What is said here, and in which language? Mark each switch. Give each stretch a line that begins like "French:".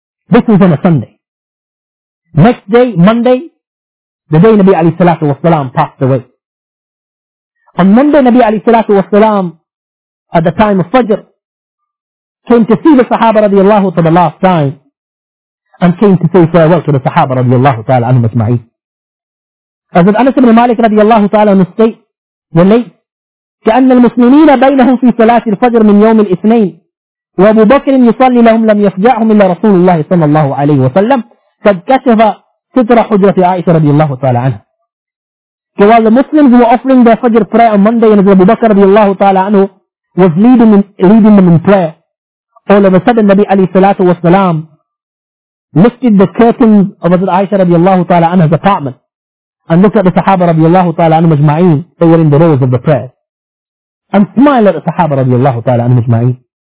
English: This was on a Sunday. Next day, Monday, the day Nabi alayhi salatu wassalam passed away. On Monday, Nabi alayhi salatu wassalam, at the time of Fajr, came to see the Sahaba radiallahu for the last time, and came to say farewell to the Sahaba radiallahu ta'ala anhum ajma'in. As if Anas ibn Malik radiallahu ta'ala anhu state, relate,
Arabic: كأن المسلمين بينهم في صلاة الفجر من يوم الاثنين وأبو بكر يصلي لهم لم يفجعهم إلا رسول الله صلى الله عليه وسلم قد كشف ستر حجرة عائشة رضي الله تعالى عنها.
English: So while the Muslims were offering their Fajr prayer on Monday and Abu Bakr رضي الله تعالى عنه was leading them in prayer, all of a sudden Nabi عليه الصلاة والسلام lifted the curtains of Aisha رضي الله تعالى عنها's apartment and looked at the Sahaba رضي الله تعالى عنهم أجمعين, they were in the rows of the prayer, and smiled at the Sahaba رضي الله تعالى عنهم أجمعين.